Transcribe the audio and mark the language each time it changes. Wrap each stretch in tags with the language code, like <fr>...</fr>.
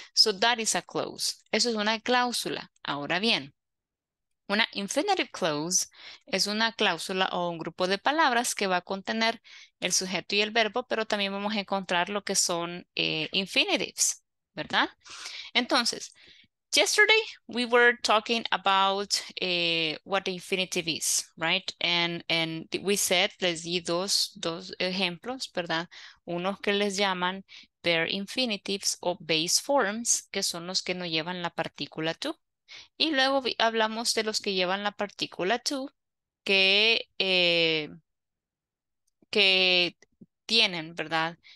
<en>So that is a clause.</en> <es>Eso es una cláusula. Ahora bien, una infinitive clause es una cláusula o un grupo de palabras que va a contener el sujeto y el verbo, pero también vamos a encontrar lo que son infinitives, ¿verdad?</es> <en>Entonces, yesterday, we were talking about what the infinitive is, right? And we said,</en> <es>les di dos ejemplos, ¿verdad? Unos que les llaman pair infinitives o base forms, que son los que no llevan la partícula to. Y luego hablamos de los que llevan la partícula to, que tienen, ¿verdad?</es>